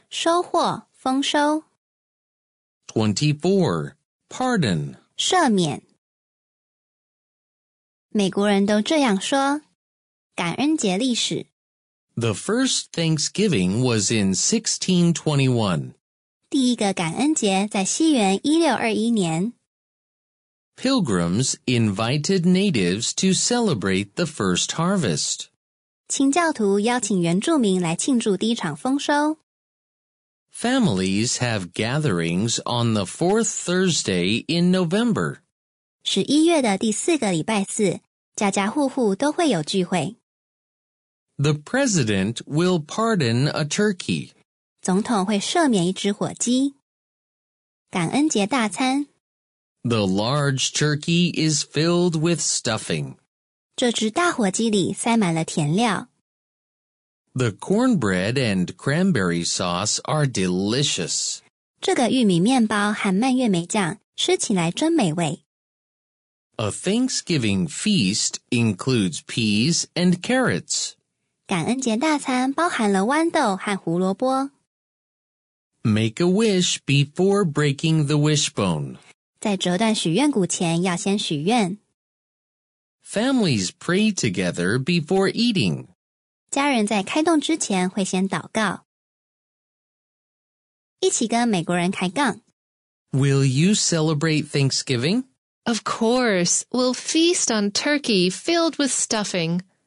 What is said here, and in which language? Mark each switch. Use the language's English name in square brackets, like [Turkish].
[Chinese] 收获丰收。 [English] 24. Pardon. [Chinese] 赦免。美国人都这样说。感恩节历史。 [English] The first Thanksgiving was in 1621. [Chinese] 第一个感恩节在西元1621年。 [English] Pilgrims invited natives to celebrate the first harvest. [Chinese] 清教徒邀请原住民来庆祝第一场丰收。 [English] Families have gatherings on the fourth Thursday in November. [Chinese] 11月的第四个礼拜四，家家户户都会有聚会。 [English] The president will pardon a turkey. [Chinese] 总统会赦免一只火鸡。感恩节大餐。 [English] The large turkey is filled with stuffing. [Chinese] 这只大火鸡里塞满了甜料。 [English] The cornbread and cranberry sauce are delicious. [Chinese] 这个玉米面包含蔓越莓酱，吃起来真美味。 [English] A Thanksgiving feast includes peas and carrots. [Chinese] 感恩节大餐包含了豌豆和胡萝卜。 [English] Make a wish before breaking the wishbone. [Chinese] 在折断许愿骨前要先许愿。 [English] Families pray together before eating. [Chinese] 家人在开动之前会先祷告。一起跟美国人开杠。 [English] Will you celebrate Thanksgiving? Of course. We'll feast on turkey filled with stuffing.